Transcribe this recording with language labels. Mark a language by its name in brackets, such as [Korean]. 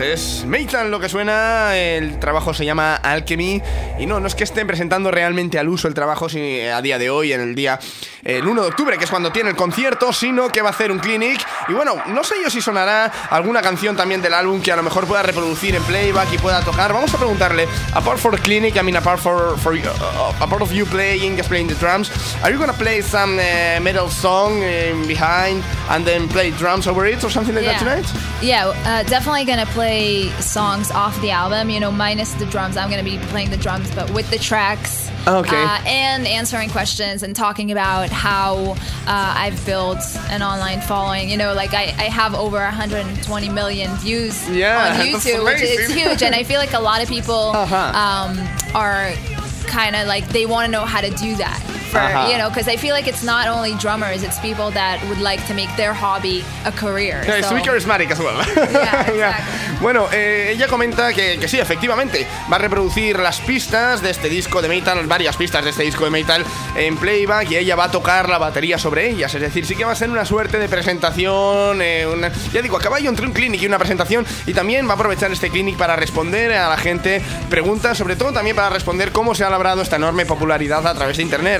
[Spanish] Es metal lo que suena, el trabajo se llama Alchemy, y no es que estén presentando realmente al uso el trabajo a día de hoy, en el día el 1 de octubre, que es cuando tiene el concierto, sino que va a hacer un clinic. Y bueno, no sé yo si sonará alguna canción también del álbum que a lo mejor pueda reproducir en playback y pueda tocar. Vamos a preguntarle, [English] apart of you playing the drums, are you gonna play some metal song behind and then play drums over it or something like that tonight? Yeah, definitely gonna play songs off the album, you know, minus the drums. I'm gonna be playing the drums, but with the tracks. Okay. And answering questions and talking about how I've built an online following. You know, like I have over 120 million views on YouTube, which is huge. And I feel like a lot of people are kind of like, they want to know how to do that. You know, because I feel like it's not only drummers, it's people that would like to make their hobby a career. Yeah, it's muy charismatic as well. Yeah, exactly. Yeah. [Spanish] Bueno, ella comenta que sí, efectivamente, va a reproducir las pistas de este disco de metal, varias pistas de este disco de metal en playback, y ella va a tocar la batería sobre ellas. Es decir, sí que va a ser una suerte de presentación, a caballo entre un clinic y una presentación, y también va a aprovechar este clinic para responder a la gente preguntas, sobre todo también para responder cómo se ha labrado esta enorme popularidad a través de internet.